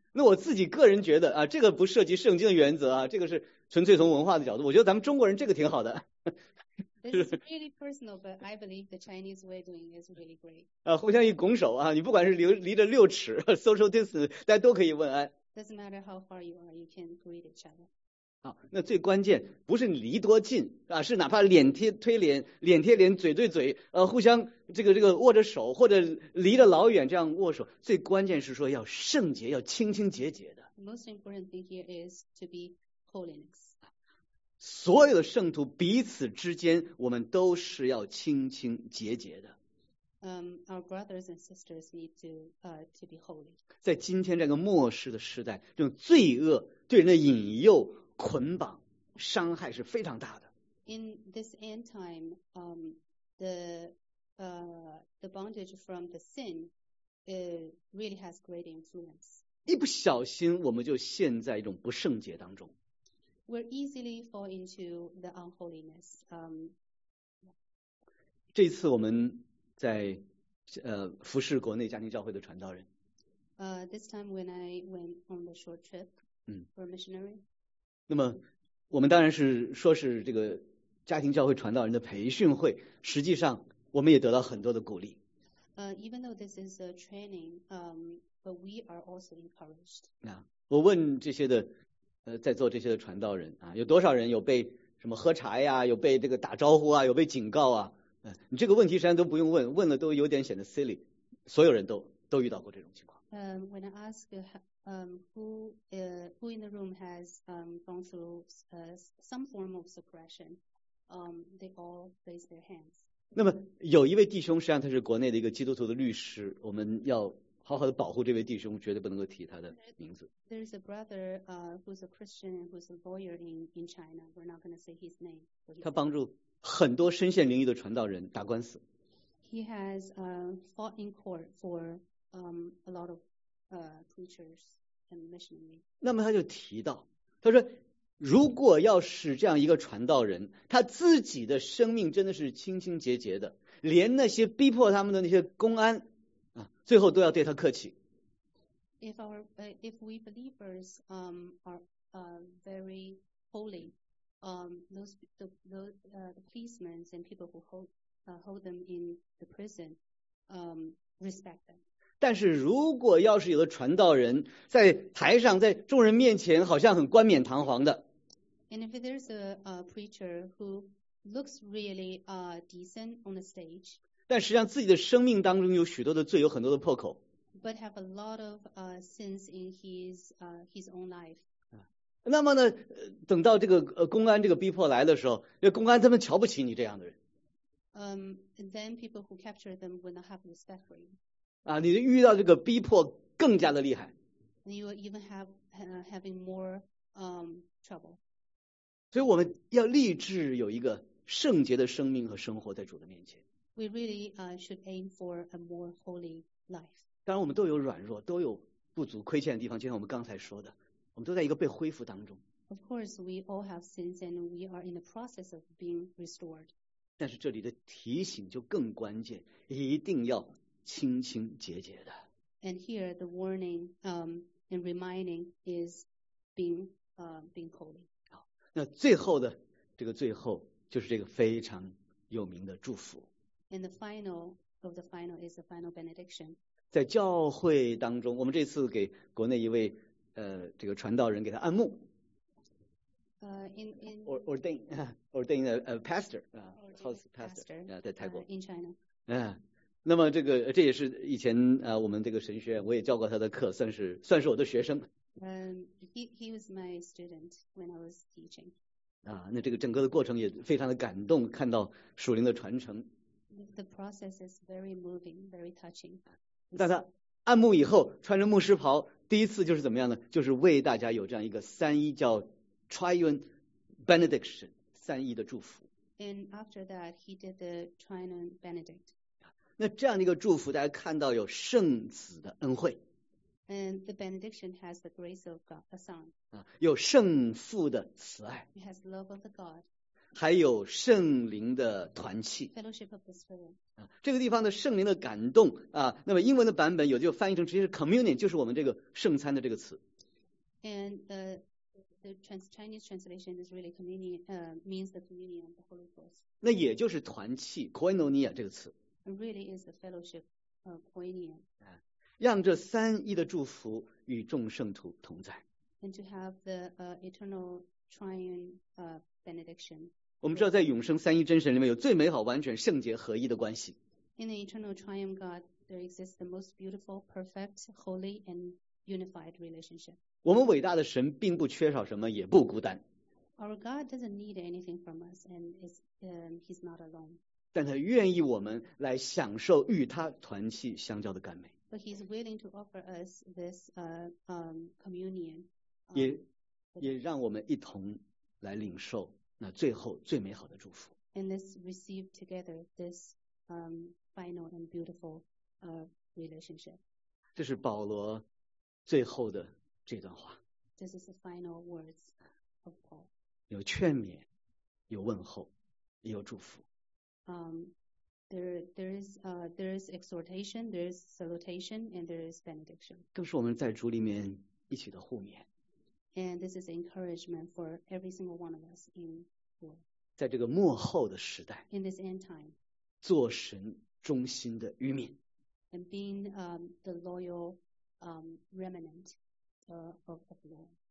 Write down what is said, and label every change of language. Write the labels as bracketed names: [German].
[Chinese] 那我自己个人觉得啊，这个不涉及圣经的原则啊，这个是纯粹从文化的角度我觉得咱们中国人这个挺好的 [English] This is really personal but I believe the Chinese way doing is really great [Chinese] 互相一拱手啊，你不管是 离着六尺 [English] social distance [Chinese] 大家都可以问安 [English] Doesn't matter how far you are you can greet each other [Chinese] 那最关键不是离多近啊，是哪怕脸贴脸，嘴对嘴，互相这个握着手，或者离着老远这样握手。最关键是说要圣洁，要清清洁洁的。 [English] Most important thing here is to be holiness. [Chinese] 所有的圣徒彼此之间，我们都是要清清洁洁的。 [English] Our brothers and sisters need to be holy. [Chinese] 在今天这个末世的时代，这种罪恶对人的引诱。捆绑伤害是非常大的。 [English] In this end time, the bondage from the sin, really has great influence. [Chinese] 一不小心，我们就陷在一种不圣洁当中。 [English] We're easily fall into the unholiness. [Chinese] 这次我们在服侍国内家庭教会的传道人。 [English] This time when I went on the short trip for missionary. [Chinese] 那么我们当然是说是这个家庭教会传道人的培训会实际上我们也得到很多的鼓励。 [English] Even though this is a training, but we are also encouraged. [Chinese] 我问这些的在座这些的传道人啊有多少人有被什么喝茶呀有被这个打招呼啊有被警告啊你这个问题实际上都不用问问了都有点显得 silly, 所有人都遇到过这种情况。 [English] When I ask who in the room has gone through some form of suppression, they all raise their hands. [Chinese] 那么有一位弟兄，实际上他是国内的一个基督徒的律师，我们要好好的保护这位弟兄，绝对不能够提他的名字。 [English] There is a brother, who's a Christian and who's a lawyer in China. We're not going to say his name. [Chinese] 他帮助很多身陷囹圄的传道人打官司。 [English] He has fought in court for a lot of preachers and missionaries. [Chinese] 那么他就提到，他说。如果要使这样一个传道人他自己的生命真的是清清洁洁的连那些逼迫他们的那些公安啊，最后都要对他客气 [English] if we believers are very holy the policemen and people who hold them in the prison respect them [Chinese] 但是如果要是有的传道人在台上在众人面前好像很冠冕堂皇的 [English] And if there's a preacher who looks really decent on the stage, [Chinese] 但实际上自己的生命当中有许多的罪，有很多的破口。 [English] But have a lot of sins in his own life. [Chinese] 那么呢，等到这个公安这个逼迫来的时候，那公安他们瞧不起你这样的人。 [English] Then people who capture them will not have respect for you. [Chinese] 啊，你遇到这个逼迫更加的厉害。 [English] You will even have having more trouble. [Chinese] 所以我们要立志有一个圣洁的生命和生活在主的面前。 [English] We really should aim for a more holy life. [Chinese] 当然我们都有软弱都有不足亏欠的地方就像我们刚才说的我们都在一个被恢复当中。 [English] Of course, we all have sins and we are in the process of being restored. [Chinese] 但是这里的提醒就更关键一定要清清洁洁的。 [English] And here the warning and reminding is being holy. [Chinese] 那最后的这个最后就是这个非常有名的祝福 [English] And the final of the final is the final benediction [Chinese] 在教会当中我们这次给国内一位这个传道人给他按牧 [English] in ordain a pastor house pastor [Chinese] 在泰国 [English] in China [Chinese] 那么这个这也是以前我们这个神学院我也教过他的课算是我的学生 [English] He was my student when I was teaching. [Chinese] 啊，那这个整个的过程也非常的感动，看到属灵的传承。 [English] The process is very moving, very touching. [Chinese] 那他按牧以后，穿着牧师袍，第一次就是怎么样呢？就是为大家有这样一个三一叫 Triune Benediction 三一的祝福。 [English] And after that, he did the Triune Benedict. [Chinese] 那这样的一个祝福，大家看到有圣子的恩惠。 [English] And the benediction has the grace of God, the Son. [Chinese] 有圣父的慈爱。 [English] It has love of the God. [Chinese] 还有圣灵的团契。 [English] Fellowship of the Spirit. [Chinese] 这个地方的圣灵的感动啊，那么英文的版本有的就翻译成直接是 communion， 就是我们这个圣餐的这个词。 [English] And Chinese translation is really communion, means the communion of the Holy Ghost. [Chinese] 那也就是团契 ，koinonia 这个词。 [English] It really is the fellowship, koinonia. [Chinese] 让这三一的祝福与众圣徒同在。 [English] And to have the eternal triune benediction. [Chinese] 我们知道，在永生三一真神里面有最美好、完全、圣洁、合一的关系。 [English] In the eternal triune God, there exists the most beautiful, perfect, holy, and unified relationship. [Chinese] 我们伟大的神并不缺少什么，也不孤单。 [English] Our God doesn't need anything from us, and he's not alone. [Chinese] 但他愿意我们来享受与他团契相交的甘美。 [English] But he's willing to offer us this communion. [Chinese] 也让我们一同来领受那最后最美好的祝福。 [English] And let's receive together this final and beautiful relationship. [Chinese] 这是保罗最后的这段话。 [English] This is the final words of Paul. [Chinese] 有劝勉，有问候，也有祝福。 [English] There is exhortation, there is salutation, and there is benediction. [Chinese] 更是我们在主里面一起的互勉。 [English] And this is encouragement for every single one of us in the world. [Chinese] 在这个末后的时代。 [English] In this end time. [Chinese] 做神忠心的余民。 [English] And being the loyal remnant of the Lord.